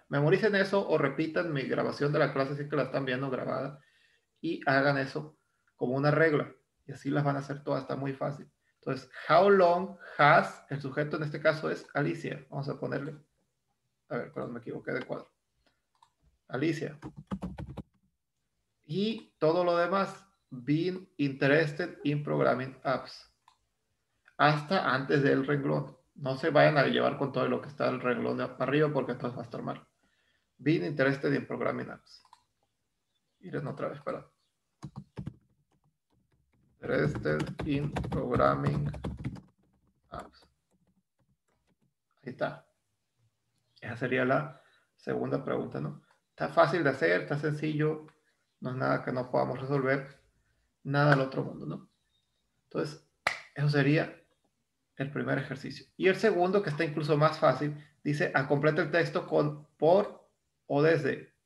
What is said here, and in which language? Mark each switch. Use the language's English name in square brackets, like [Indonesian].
[Spanish] Memoricen eso o repitan mi grabación de la clase, si es que la están viendo grabada, y hagan eso como una regla. Y así las van a hacer todas, está muy fácil. Entonces, how long has, el sujeto en este caso es Alicia. Vamos a ponerle, a ver, perdón, me equivoqué de cuadro. Alicia. Y todo lo demás. [English] Been interested in programming apps. [Spanish] Hasta antes del renglón. No se vayan a llevar con todo lo que está el renglón de arriba porque entonces va a estar mal. [English] Been interested in programming apps. [Spanish] Miren otra vez, perdón. [English] Interested in programming apps. [Spanish] Ahí está. Esa sería la segunda pregunta, ¿no? Está fácil de hacer, está sencillo. No es nada que no podamos resolver. Nada al otro mundo, ¿no? Entonces, eso sería el primer ejercicio. Y el segundo, que está incluso más fácil, dice, a completa el texto con por o desde.